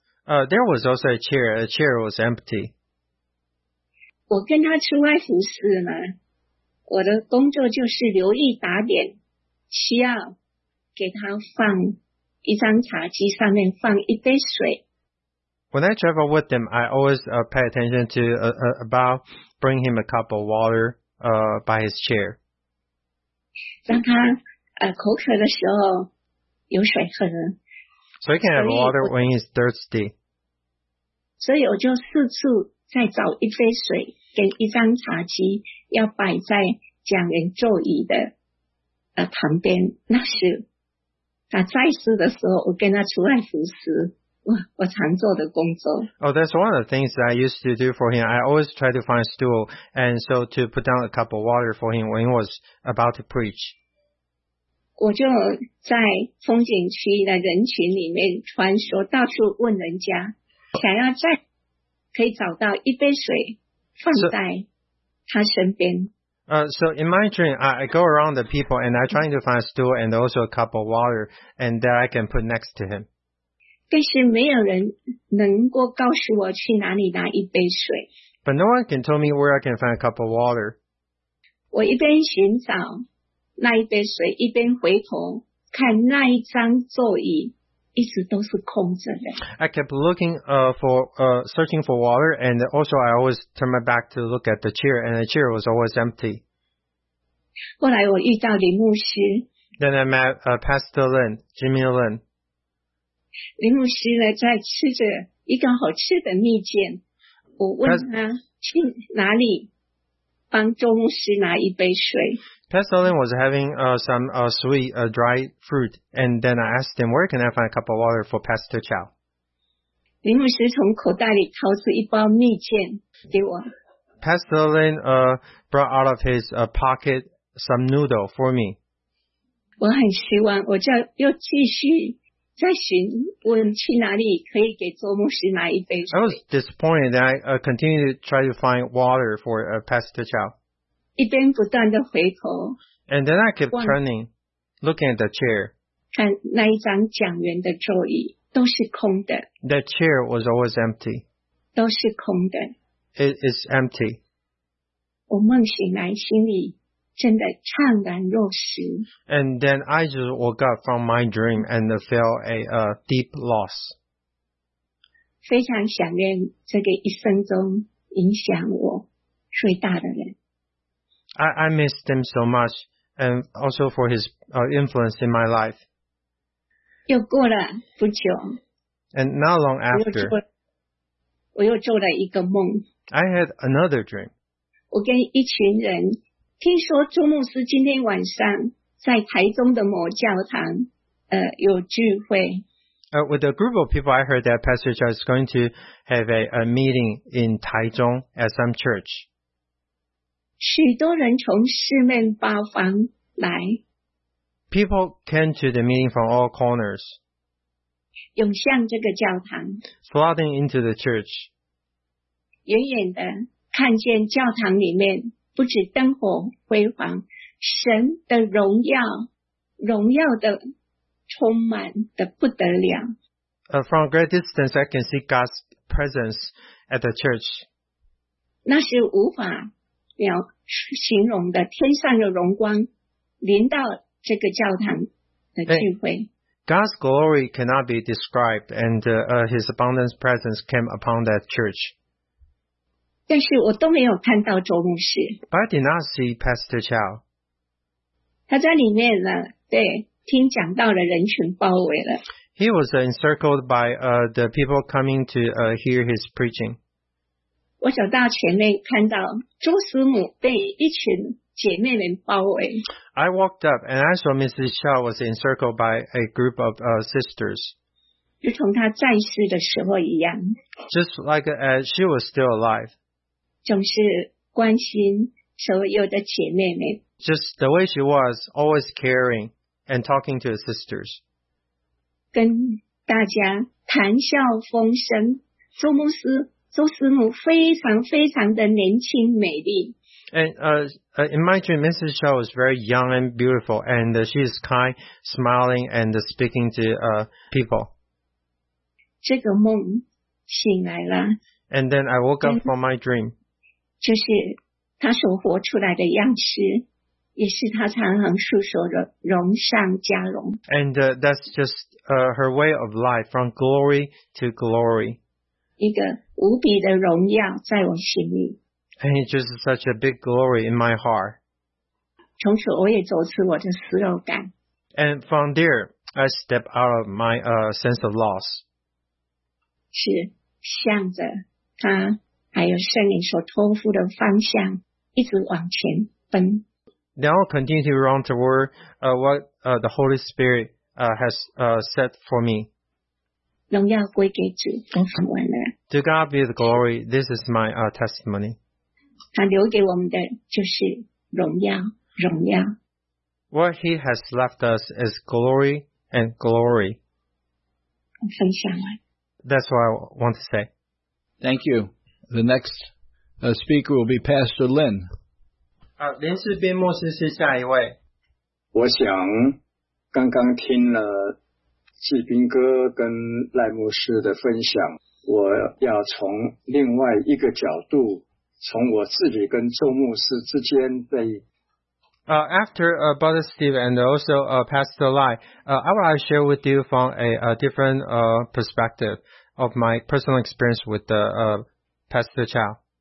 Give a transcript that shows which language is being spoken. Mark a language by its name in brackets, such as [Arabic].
[English] There was also a chair. A chair was empty. [Chinese] 我跟他出外服侍嘛，我的工作就是留意打点，需要给他放一张茶几，上面放一杯水。 [English] When I travel with him, I always pay attention to about bring him a cup of water by his chair. [Chinese] 让他口渴的时候有水喝。 [English] So he can have water when he's thirsty. [Chinese] 所以我就四处再找一杯水跟一张茶几，要摆在讲员座椅的旁边。那时他在世的时候，我跟他出来服侍。我常做的工作。 [English] Oh, that's one of the things that I used to do for him. I always try to find a stool and so to put down a cup of water for him when he was about to preach. [Chinese] 我就在风景区的人群里面穿梭，到处问人家，想要再可以找到一杯水放在他身边。 [English] So in my dream, I go around the people and I'm trying to find a stool and also a cup of water and that I can put next to him. [Chinese] 但是没有人能够告诉我去哪里拿一杯水。 [English] But no one can tell me where I can find a cup of water. [Chinese] 我一边寻找那一杯水，一边回头看那一张座椅一直都是空着的。 [English] I kept looking searching for water, and also I always turned my back to look at the chair, and the chair was always empty. [Chinese] 后来我遇到林牧师。 [English] Then I met Pastor Lin, Jimmy Lin. [Chinese] 林牧师呢在吃着一个好吃的蜜饯，我问他去哪里帮周牧师拿一杯水。 [English] Pastor Lin was having some sweet dry fruit, and then I asked him, where can I find a cup of water for Pastor Chow? [Chinese] 林牧师从口袋里掏出一包蜜饯给我。 [English] Pastor Lin brought out of his pocket some noodle for me. [Chinese] 我很希望我就又继续再询问去哪里可以给周牧师拿一杯水。 [English] I was disappointed that I continued to try to find water for Pastor Chow. [Chinese] 一边不断地回头。 [English] And then I kept turning, looking at the chair. [Chinese] 看那一张讲员的座椅都是空的。 [English] The chair was always empty. [Chinese] 都是空的。 [English] It is empty. [Chinese] 我梦醒来，心里真的怅然若失。 [English] And then I just woke up from my dream and felt a deep loss. [Chinese] 非常想念这个一生中影响我最大的人。 [English] I missed him so much, and also for his influence in my life. [Chinese] 又过了不久。 [English] And not long after, [Chinese] 我又做了一个梦。 [English] I had another dream. [Chinese] 我跟一群人，听说周牧师今天晚上在台中的某教堂有聚会。 [English] With a group of people, I heard that Pastor Chow is going to have a meeting in Taichung at some church. [Chinese] 许多人从四面八方来。 [English] People came to the meeting from all corners. [Chinese] 涌向这个教堂。 [English] Flooding into the church. [Chinese] 远远的看见教堂里面不止灯火辉煌，神的荣耀，荣耀的充满的不得了。 [English] From a great distance, I can see God's presence at the church. [Chinese] 那是无法形容的天上的荣光临到这个教堂的聚会。 [English] God's glory cannot be described, and His abundant presence came upon that church. [Chinese] 但是我都没有看到周牧师。 [English] But I did not see Pastor Chow. [Chinese] 他在里面了，对，听讲道的人群包围了。 [English] He was encircled by the people coming to hear his preaching. [Chinese] 我走到前面，看到周师母被一群姐妹们包围。 [English] I walked up and I saw Mrs. Chow was encircled by a group of sisters. [Chinese] 就从她在世的时候一样。 [English] Just like she was still alive. [Chinese] 总是关心所有的姐妹们。 [English] Just the way she was, always caring and talking to the sisters. [Chinese] 跟大家谈笑风生，周牧师。周师母非常非常的年轻美丽。 [English] And in my dream, Mrs. Shaw was very young and beautiful, and she is kind, smiling, and speaking to people. [Chinese] 这个梦醒来了。 [English] And then I woke up from my dream. [Chinese] 就是她所活出来的样式，也是她常常诉说的荣上加荣。 [English] And that's just her way of life, from glory to glory. [Chinese] 一个无比的荣耀在我心里。 [English] And it's just such a big glory in my heart. [Chinese] 从此我也走出我的失落感。 [English] And from there, I step out of my sense of loss. [Chinese] 是向着他还有圣灵所托付的方向一直往前奔。 [English] Now I'll continue to run toward what the Holy Spirit has set for me. [Chinese] 荣耀归给主，我讲完了。 [English] To God be the glory. This is my testimony. [Chinese] 他留给我们的就是荣耀，荣耀。 [English] What he has left us is glory and glory. [Chinese] 分享完。 [English] That's what I want to say. Thank you. The next speaker will be Pastor Lin. [Chinese] 林士斌牧师是下一位。我想刚刚听了士斌哥跟赖牧师的分享，我要从另外一个角度。从我自己跟周牧师之间的。 [English] After Brother Steve and also Pastor Lai, I would like to share with you from a different perspective of my personal experience with the Pastor Chow.